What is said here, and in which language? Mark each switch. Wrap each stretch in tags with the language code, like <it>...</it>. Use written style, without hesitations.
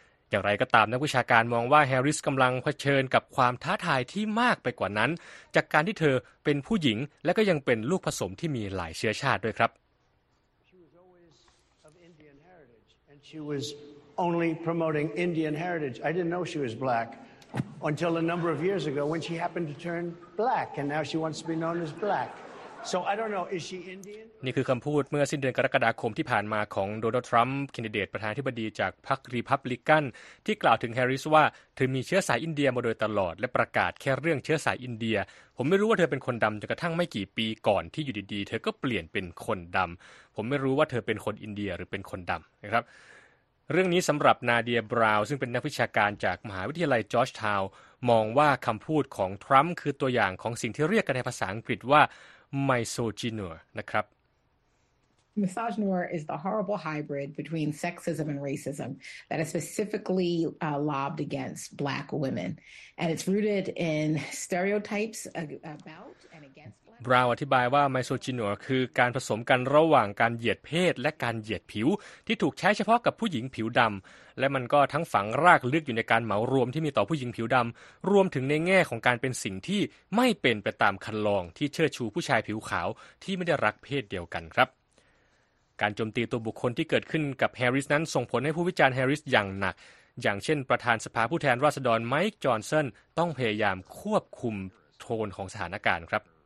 <th>อย่างไรก็ตามนักวิชาการมองว่าแฮร์ริสกำลังเผชิญกับความท้าทายที่มากไปกว่านั้นจากการที่เธอเป็นผู้หญิงและก็ยังเป็นลูกผสมที่มีหลายเชื้อชาติด้วยครับ</th> <en>She was always of Indian heritage and she was only promoting Indian heritage. I didn't know she was black until a number of years ago when she happened to turn black and now she wants to be known as black. So I don't know is she Indian</en> <th>นี่คือคำพูดเมื่อสิ้นเดือนกรกฎาคมที่ผ่านมาของโดนัลด์ทรัมป์แคนดิเดตประธานาธิบดีจากพรรครีพับลิกันที่กล่าวถึงแฮร์ริสว่าเธอมีเชื้อสายอินเดียมาโดยตลอดและประกาศแค่เรื่องเชื้อสายอินเดียผมไม่รู้ว่าเธอเป็นคนดำจนกระทั่งไม่กี่ปีก่อนที่อยู่ดีๆเธอก็เปลี่ยนเป็นคนดำผมไม่รู้ว่าเธอเป็นคนอินเดียหรือเป็นคนดำนะครับ เรื่องนี้สำหรับนาเดียบราวน์ซึ่งเป็นนักวิชาการจากมหาวิทยาลัยจอร์จทาวน์มองว่าคำพูดของทรัมป์คือตัวอย่างของสิ่งที่เรียกกันในภาษาอังกฤษว่าMisogynoir นะครับ</th> <en>Misogynoir is the horrible hybrid between sexism and racism that is specifically lobbed against black women and it's rooted in stereotypes about and against black</en> <th>บราวน์อธิบายว่า Misogynoir คือการผสมกันระหว่างการเหยียดเพศและการเหยียดผิวที่ถูกใช้เฉพาะกับผู้หญิงผิวดำและมันก็ทั้งฝังรากลึกอยู่ในการเหมารวมที่มีต่อผู้หญิงผิวดำรวมถึงในแง่ของการเป็นสิ่งที่ไม่เป็นไปตามคันลองที่เชิดชูผู้ชายผิวขาวที่ไม่ได้รักเพศเดียวกันครับการโจมตีตัวบุคคลที่เกิดขึ้นกับแฮร์ริสนั้นส่งผลให้ผู้วิจารณ์แฮร์ริสอย่างหนักอย่างเช่นประธานสภาผู้แทนราษฎรไมค์จอห์นสันต้องพยายามควบคุมโทนของสถานการณ์ครับ</th>